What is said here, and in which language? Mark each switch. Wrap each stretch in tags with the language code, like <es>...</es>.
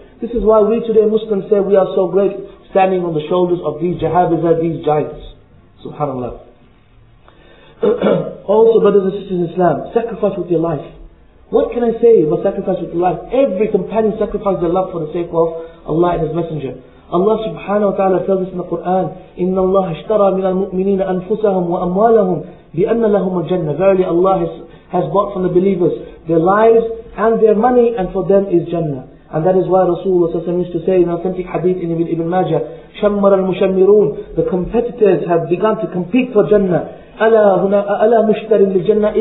<en>This is why we today Muslims say we are so great standing on the shoulders of these jahabizah, these giants. SubhanAllah. Also, brothers and sisters in Islam, sacrifice with your life. What can I say about sacrifice with your life? Every companion sacrificed their love for the sake of Allah and His Messenger.</en> <ar>Allah subhanahu wa ta'ala tells us in the Quran, إِنَّ اللَّهَ اشْتَرَى مِنَ الْمُؤْمِنِينَ أَنفُسَهُمْ وَأَمْوَالَهُمْ بِأَنَّ لَهُمُ الْجَنَّةِ.</ar> <en>Verily Allah has bought from the believers their lives and their money, and for them is Jannah. And that is why Rasulullah s.a.w. used to say in authentic hadith in Ibn Majah, شَمَّرَ الْمُشَمِّرُونَ. The competitors have begun to compete for Jannah.</en> <ar>أَلَا مُشْتَرٍ لِلْجَنَّةِ.</ar>